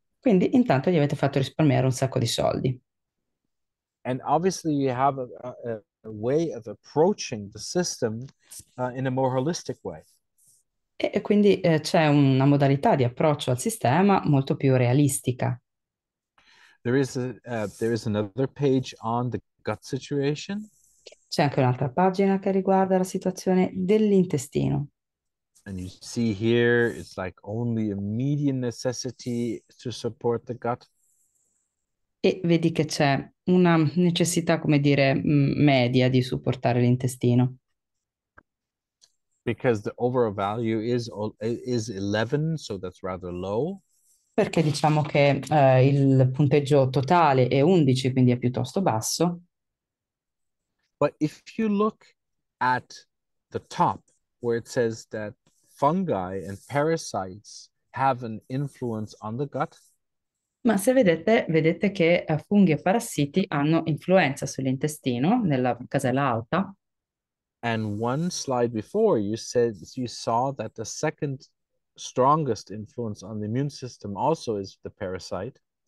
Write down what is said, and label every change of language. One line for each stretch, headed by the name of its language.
Italian: Quindi intanto gli avete fatto risparmiare un sacco di soldi.
English: And obviously you have a way of approaching the system in a more holistic way.
Italian: E quindi c'è una modalità di approccio al sistema molto più realistica.
English: There is another page on the gut situation.
Italian: C'è anche un'altra pagina che riguarda la situazione dell'intestino.
English: And you see here, it's like only a median necessity to support the gut.
Italian: E vedi che c'è una necessità, come dire, media di supportare l'intestino.
English: Because the overall value is 11, so that's rather low.
Italian: Perché diciamo che il punteggio totale è 11, quindi è piuttosto basso.
English: But if you look at the top, where it says that fungi and parasites have an influence on the gut.
Italian: Ma se vedete, vedete che funghi e parassiti hanno influenza sull'intestino nella casella alta.
English: And one slide before you said you saw that the second strongest influence on the immune system also is the parasite.